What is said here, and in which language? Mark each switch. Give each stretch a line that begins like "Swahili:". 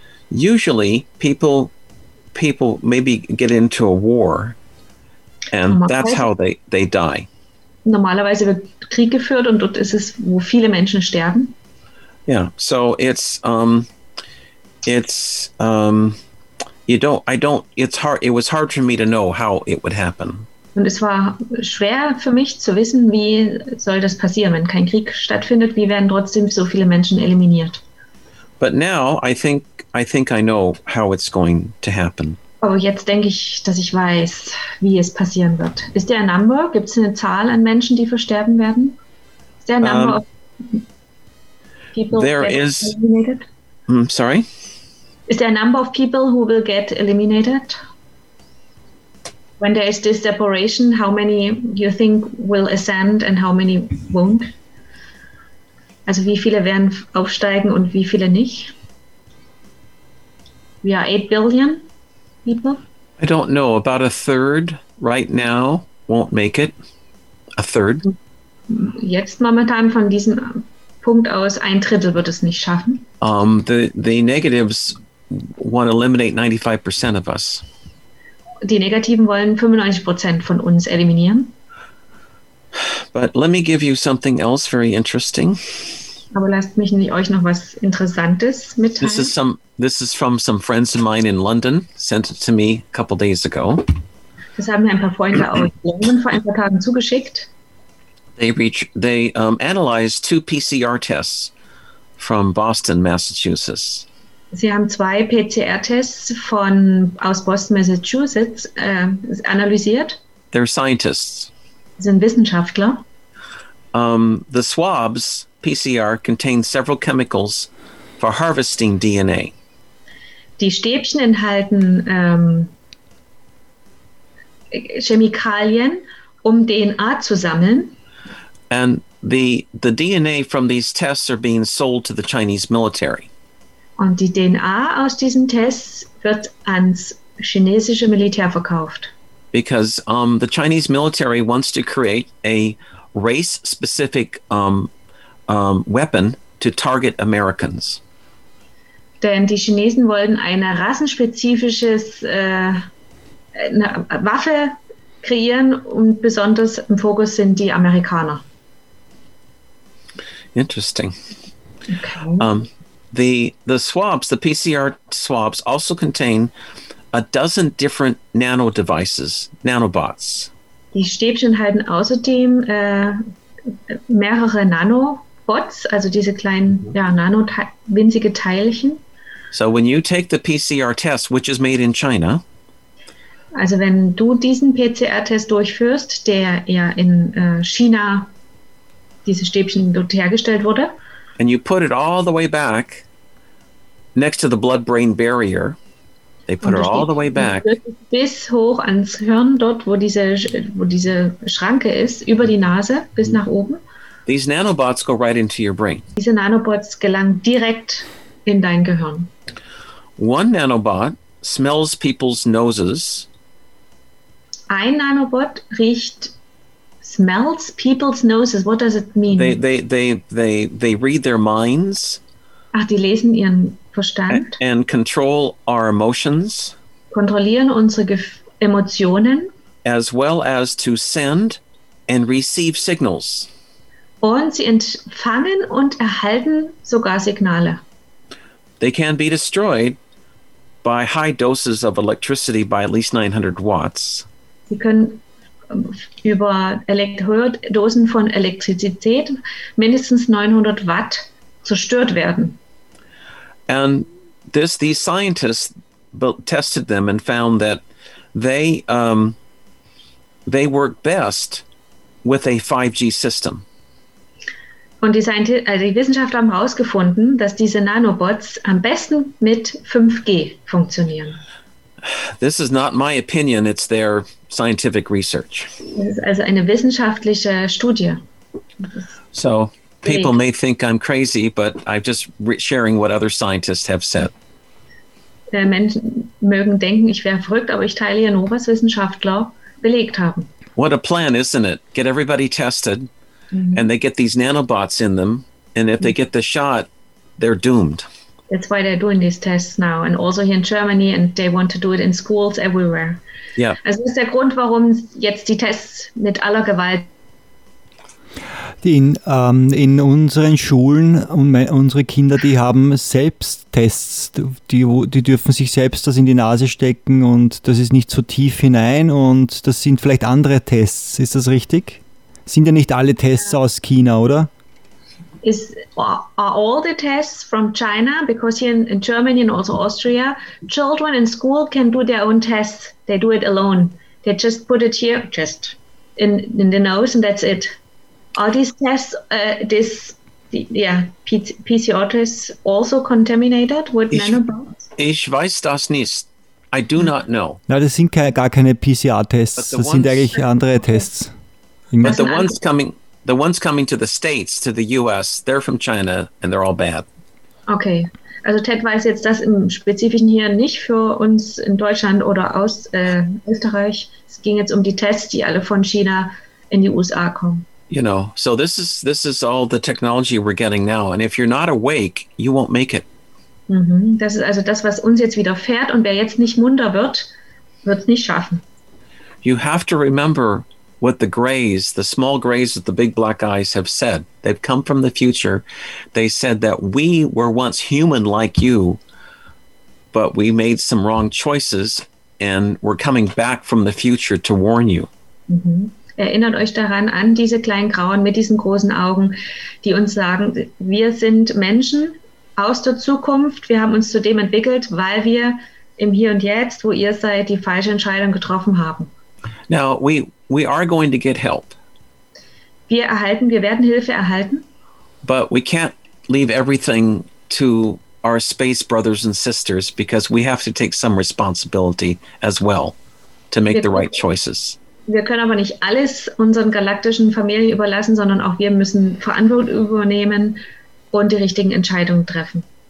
English: Usually people maybe get into a war and that's how they die.
German: Normalerweise wird Krieg geführt und dort ist es, wo viele Menschen sterben.
English: Yeah, so it was hard for me to know how it would happen.
German: Und es war schwer für mich zu wissen, wie soll das passieren, wenn kein Krieg stattfindet, wie werden trotzdem so viele Menschen eliminiert?
English: But now I think I know how it's going to happen.
German: Aber jetzt denke ich, dass ich weiß, wie es passieren wird. Ist der Number, gibt es eine Zahl an Menschen, die versterben werden? Ist der
English: Number of people there get is, eliminated? Sorry? Is there a number of people who will get eliminated? When there is this separation, how many you think will ascend and how many won't?
German: Also wie viele werden aufsteigen und wie viele nicht?
English: We are 8 billion people. I don't know. About a third right now won't make it. A third.
German: Jetzt momentan von diesem Punkt aus, ein Drittel wird es nicht schaffen.
English: The negatives want to eliminate 95% of us.
German: Die Negativen wollen 95% von uns eliminieren.
English: But let me give you something else very interesting.
German: Aber lasst mich euch noch was Interessantes mitteilen.
English: This is from some friends of mine in London, sent it to me a couple days ago.
German: Das haben mir ein paar Freunde aus London vor ein paar Tagen zugeschickt.
English: They analyzed two PCR tests from Boston, Massachusetts.
German: Sie haben zwei PCR-Tests aus Boston, Massachusetts analysiert.
English: They're scientists.
German: Sie sind Wissenschaftler.
English: The swabs, PCR, contain several chemicals for harvesting DNA.
German: Die Stäbchen enthalten Chemikalien, um DNA zu sammeln.
English: And the DNA from these tests are being sold to the Chinese military.
German: Und die DNA aus diesen Tests wird ans chinesische Militär verkauft.
English: because the Chinese military wants to create a race-specific weapon to target Americans.
German: Denn die Chinesen wollen eine rassenspezifisches eine Waffe kreieren und besonders im Fokus sind die Amerikaner.
English: Interesting. Okay. The swabs, the PCR swabs, also contain a dozen different nano devices, nanobots.
German: Die Stäbchen halten außerdem mehrere Nanobots, also diese kleinen, ja, winzige Teilchen.
English: So when you take the PCR test, which is made in China.
German: Also wenn du diesen PCR-Test durchführst, der ja in China, diese Stäbchen dort hergestellt wurde.
English: And you put it all the way back next to the blood-brain barrier. They put it all the way back.
German: Bis hoch ans Hirn, dort wo diese Schranke ist, über die Nase, bis nach oben.
English: These nanobots go right into your brain.
German: Diese Nanobots gelangen direkt in dein Gehirn.
English: One nanobot smells people's noses.
German: Ein Nanobot riecht,
English: smells people's noses. What does it mean? They read their minds.
German: Ach, die lesen ihren Verstand.
English: And control our emotions.
German: Kontrollieren unsere Emotionen.
English: As well as to send and receive signals.
German: Und sie empfangen und erhalten sogar Signale.
English: They can be destroyed by high doses of electricity by at least 900 watts.
German: Sie können über Dosen von Elektrizität mindestens 900 Watt zerstört werden.
English: And these scientists tested them and found that they work best with a 5G system.
German: Und die Wissenschaftler haben herausgefunden, dass diese Nanobots am besten mit 5G funktionieren.
English: This is not my opinion, it's their scientific research.
German: Das ist also eine wissenschaftliche Studie.
English: So, people may think I'm crazy, but I'm just sharing what other scientists have said.
German: Menschen mögen denken, ich wäre verrückt, aber ich teile hier nur, was Wissenschaftler belegt haben.
English: What a plan, isn't it? Get everybody tested. And they get these nanobots in them, and if they get the shot, they're doomed. That's why they're doing these tests now, and also here in Germany, and they want to do it in schools everywhere. Yeah.
German: Also ist der Grund, warum jetzt die Tests mit aller Gewalt. In unseren Schulen und unsere Kinder, die haben Selbsttests, die dürfen sich selbst das in die Nase stecken, und das ist nicht so tief hinein, und das sind vielleicht andere Tests. Ist das richtig? Sind ja nicht alle Tests aus China, oder?
English: Are all the tests from China? Because here in Germany and also Austria, children in school can do their own tests. They do it alone. They just put it here, just in the nose, and that's it. Are these tests, PCR tests also contaminated with nanobots?
German: Ich weiß das nicht.
English: I do not know.
German: Na, das sind gar keine PCR-Tests. Das sind eigentlich andere Tests.
English: But the ones coming to the States, to the US, they're from China and they're all bad. Okay.
German: Also Ted weiß jetzt das im Spezifischen hier nicht für uns in Deutschland oder aus Österreich. Es ging jetzt um die Tests, die alle von China in die USA kommen.
English: You know, so this is all the technology we're getting now. And if you're not awake, you won't make it.
German: Das ist also das, was uns jetzt widerfährt, und wer jetzt nicht munter wird, wird es nicht schaffen.
English: You have to remember what the grays, the small grays with the big black eyes, have said. They've come from the future. They said that we were once human like you, but we made some wrong choices and we're coming back from the future to warn you.
German: Erinnert euch daran, an diese kleinen Grauen mit diesen großen Augen, die uns sagen, wir sind Menschen aus der Zukunft. Wir haben uns zu dem entwickelt, weil wir im Hier und Jetzt, wo ihr seid, die falsche Entscheidung getroffen haben.
English: Now, we are going to get help.
German: Wir werden Hilfe erhalten.
English: But we can't leave everything to our space brothers and sisters, because we have to take some responsibility as well to make the right choices.
German: Wir können aber nicht alles unseren galaktischen Familien überlassen, sondern auch wir müssen Verantwortung übernehmen und die richtigen Entscheidungen treffen.